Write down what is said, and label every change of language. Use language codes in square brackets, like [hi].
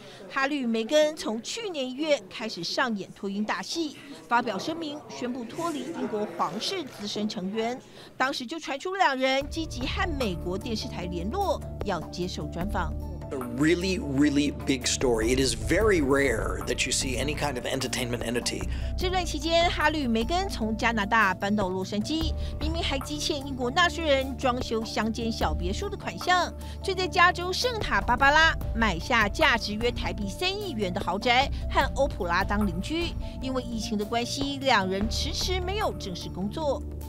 [zh] 哈利与梅根从去年1月开始上演脱英大戏，发表声明宣布脱离英国皇室资深成员。当时就传出两人积极和美国电视台联络，要接受专访。 [en] A really, really big story. It is very rare that you see any kind of entertainment entity. [zh] 这段期间，哈利与梅根从加拿大搬到洛杉矶，明明还积欠英国纳税人装修乡间小别墅的款项，却在加州圣塔芭芭拉买下价值约台币3亿元的豪宅，和欧普拉当邻居。因为疫情的关系，两人迟迟没有正式工作。